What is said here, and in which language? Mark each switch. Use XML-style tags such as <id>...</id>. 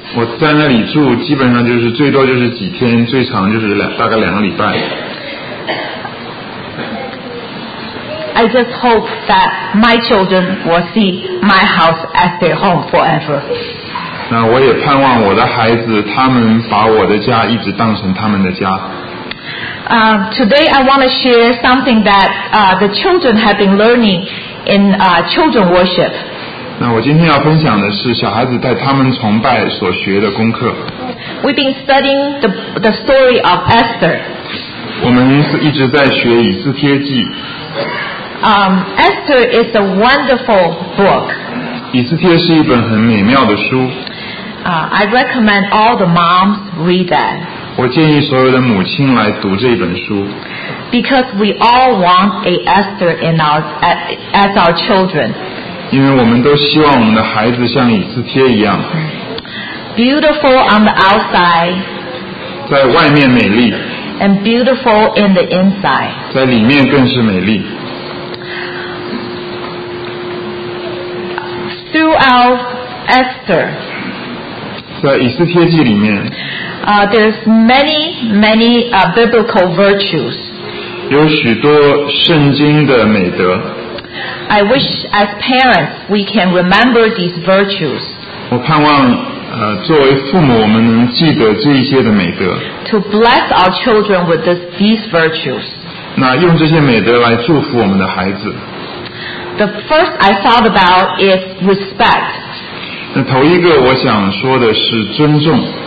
<zh>我在那里住基本上就是最多就是几天最长就是大概两个礼拜</zh> <en>I just hope that my children will see my house as their home forever.</en> <zh>那我也盼望我的孩子，他们把我的家一直当成他们的家。</zh> <en>Today I want to share something that the children have been learning in children worship.</en> <zh>那我今天要分享的是小孩子在他们崇拜所学的功课。</zh> <en>We've been studying the story of Esther.</en> <zh>我们是一直在学以斯帖记。</zh> <en>Esther is a wonderful book.</en> <zh>以斯帖是一本很美妙的书。</zh> <en>I recommend all the moms read that.</en> <zh>我建议所有的母亲来读这本书。</zh> <en>Because we all want an Esther in our as our children.</en> <zh>因为我们都希望我们的孩子像以斯帖一样。</zh> <en>Beautiful on the outside.</en> <zh>在外面美丽。</zh> <en>And beautiful in the inside.</en> <zh>在里面更是美丽。</zh> <en>Throughout Esther,</en> <zh>在以斯帖记里面</zh> <en>there's many, many biblical virtues.</en> <zh>有许多圣经的美德。</zh> <en>I wish as parents we can remember these virtues.</en> <zh>我盼望作为父母我们能记得这些的美德。</zh> <en>To bless our children with these virtues.</en> <zh>那用这些美德来祝福我们的孩子。</zh> <en>The first I thought about is respect.</en> <zh>那头一个我想说的是尊重。</zh>